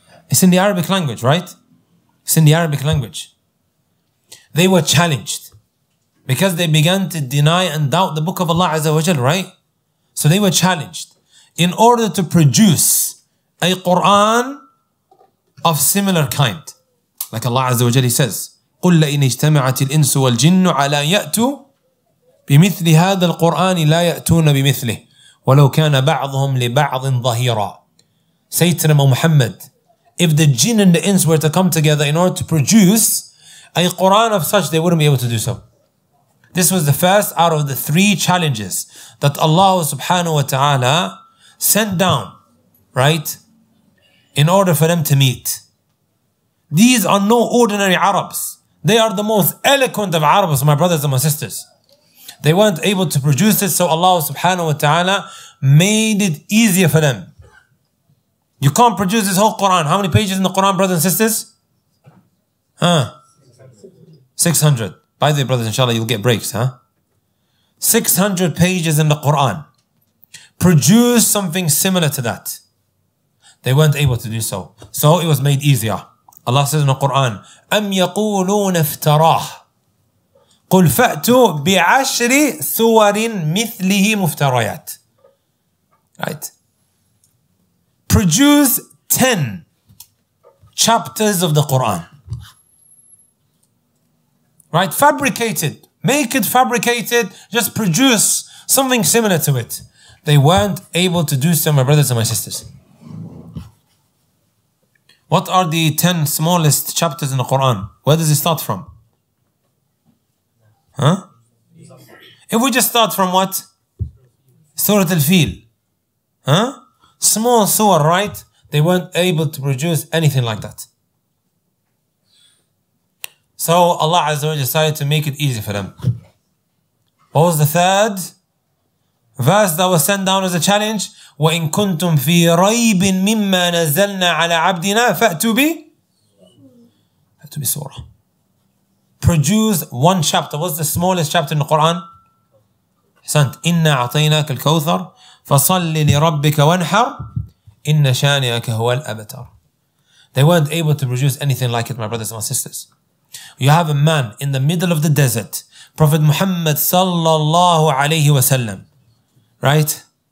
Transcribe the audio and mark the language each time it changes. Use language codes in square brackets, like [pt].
[en] It's in the Arabic language, right? It's in the Arabic language. They were challenged because they began to deny and doubt the book of Allah Azza wa Jal, right? So they were challenged in order to produce a Quran of similar kind. Like Allah Azza wa Jal, he says, [ar] قُلْ لَإِنِ اجْتَمَعَتِ الْإِنسُ وَالْجِنُّ عَلَىٰ يَأْتُوا بِمِثْلِ هَذَا الْقُرْآنِ لَا يَأْتُونَ بِمِثْلِهِ وَلَوْ كَانَ بَعْضُهُمْ لِبَعْضٍ ظَهِيرًا. [en] Say to them, O Muhammad, if the jinn and the ins were to come together in order to produce a Quran of such, they wouldn't be able to do so. This was the first out of the three challenges that Allah subhanahu wa ta'ala sent down, right, in order for them to meet. These are no ordinary Arabs. They are the most eloquent of Arabs, my brothers and my sisters. They weren't able to produce it, so Allah subhanahu wa ta'ala made it easier for them. You can't produce this whole Quran. How many pages in the Quran, brothers and sisters? Huh? 600. By the way, brothers, inshallah, you'll get breaks, huh? 600 pages in the Quran. Produce something similar to that. They weren't able to do so. So it was made easier. Allah says in the Quran, [ar] أَمْ يَقُولُونَ افْتَرَاهُ قُلْ فَأْتُوا بِعَشْرِ سُوَرٍ مِثْلِهِ مُفْتَرَيَاتٍ. [en] Right? Produce 10 chapters of the Quran. Right? Fabricated. Make it fabricated. Just produce something similar to it. They weren't able to do so, my brothers and my sisters. What are the 10 smallest chapters in the Quran? Where does it start from? Huh? If we just start from what? Surah Al-Fil. Huh? Small surah, right? They weren't able to produce anything like that. So Allah Azza wa Jalla decided to make it easy for them. What was the third verse that was sent down as a challenge? [ar] وَإِن كُنْتُمْ فِي رَيْبٍ مِمَّا نَزَّلْنَا عَلَىٰ عَبْدِنَا فَأْتُوا بِ surah. [en] Produce one chapter. What's the smallest chapter in the Quran? [ar] Sant. إِنَّا عَطَيْنَاكَ الْكَوْثَرْ فَصَلِّ لِرَبِّكَ وَانْحَرْ إِنَّ شَانِيَكَ هُوَ الْأَبَتَرْ. [en] They weren't able to produce anything like it, my brothers and my sisters. You have a man in the middle of the desert, Prophet Muhammad sallallahu alayhi wa sallam, right?